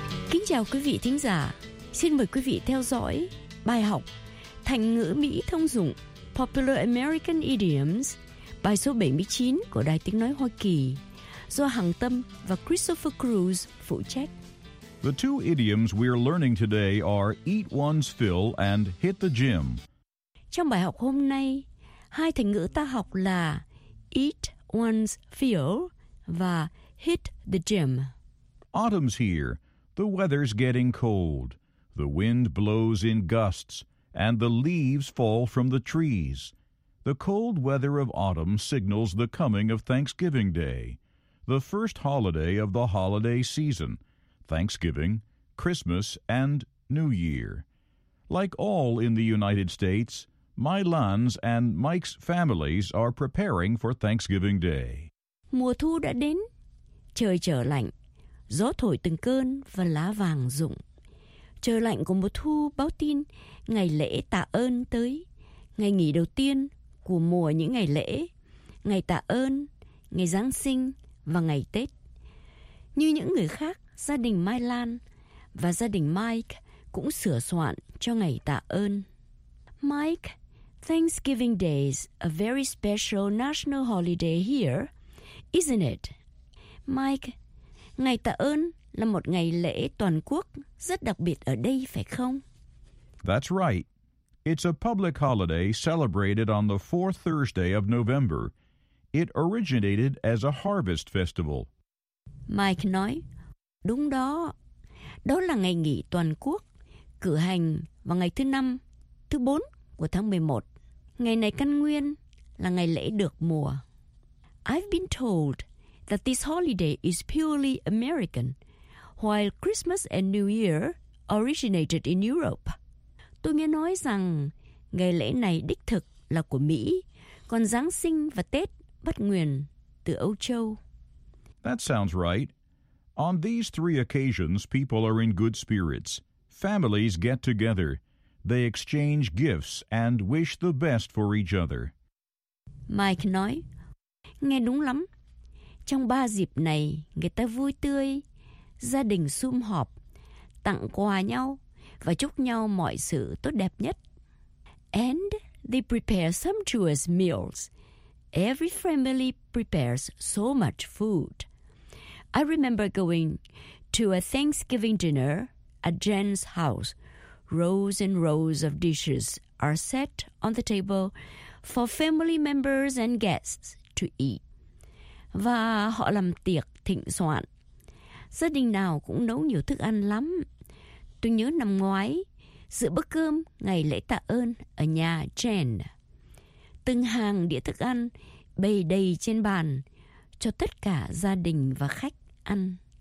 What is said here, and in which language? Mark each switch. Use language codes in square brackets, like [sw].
[vi] Kính chào quý vị thính giả. Xin mời quý vị theo dõi bài học thành ngữ Mỹ thông dụng Popular American Idioms, bài số 79 của Đài Tiếng Nói Hoa Kỳ, do Hằng Tâm và Christopher Cruz phụ trách. [en] The two idioms we are learning today are eat one's fill and hit the gym. [vi] Trong bài học hôm nay, Hai thành ngữ ta học là [en] eat one's fill [vi] và [en] hit the gym. Autumn's here. The weather's getting cold. The wind blows in gusts, and the leaves fall from the trees. The cold weather of autumn signals the coming of Thanksgiving Day, the first holiday of the holiday season, Thanksgiving, Christmas, and New Year. Like all in the United States, Mai Lan's and Mike's families are preparing for Thanksgiving Day. [vi] Mùa thu đã đến, trời trở lạnh, gió thổi từng cơn và lá vàng rụng. Trời lạnh của mùa thu báo tin ngày lễ tạ ơn tới, ngày nghỉ đầu tiên của mùa những ngày lễ, ngày tạ ơn, ngày Giáng sinh và ngày Tết. Như những người khác, gia đình Mai Lan và gia đình Mike cũng sửa soạn cho ngày tạ ơn. [en] Mike, Thanksgiving Day is a very special national holiday here, isn't it? [vi] Mike, ngày tạ ơn là một ngày lễ toàn quốc rất đặc biệt ở đây, phải không? [en] That's right. It's a public holiday celebrated on the fourth Thursday of November. It originated as a harvest festival. [vi] Mike nói, đúng đó. Đó là ngày nghỉ toàn quốc, cử hành vào ngày thứ năm, thứ bốn của tháng 11. Ngày này căn nguyên là ngày lễ được mùa. [en] I've been told that this holiday is purely American, while Christmas and New Year originated in Europe. [vi] Tôi nghe nói rằng ngày lễ này đích thực là của Mỹ, còn Giáng sinh và Tết bắt nguồn từ Âu Châu. [en] That sounds right. On these three occasions, people are in good spirits. Families get together. They exchange gifts and wish the best for each other. [vi] Mike nói, nghe đúng lắm. Trong ba dịp này, người ta vui tươi, gia đình sum họp, tặng quà nhau và chúc nhau mọi sự tốt đẹp nhất. [en] And they prepare sumptuous meals. Every family prepares so much food. I remember going to a Thanksgiving dinner at Jen's house. Rows and rows of dishes are set on the table for family members and guests to eat. [vi] Và họ làm tiệc thịnh soạn. Gia đình nào cũng nấu nhiều thức ăn lắm. Tôi nhớ năm ngoái, giữa bữa cơm ngày lễ tạ ơn ở nhà Jen. Từng hàng đĩa thức ăn bày đầy trên bàn cho tất cả gia đình và khách ăn.